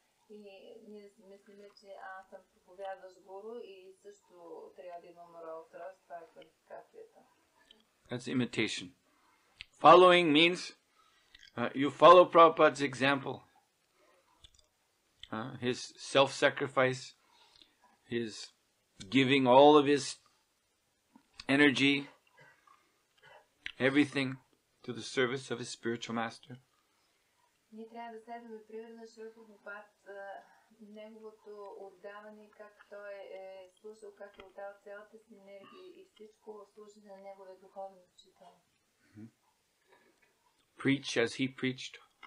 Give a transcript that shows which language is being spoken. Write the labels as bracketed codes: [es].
[bg] И ние мислиме, че аз съм проповядващ гуру и също трябва да имам Rolls Royce, това е квалификацията. [en] That's imitation. Following means you follow Prabhupada's example. His self-sacrifice, his giving all of his energy, everything to the service of his spiritual master. [bg] Ние трябва да следваме пример на Шрила Прабхупада, неговото отдаване, как той е слушал, как е отдал цялата си енергия и всичко служи на неговия духовен учител. [en] Preach as he preached.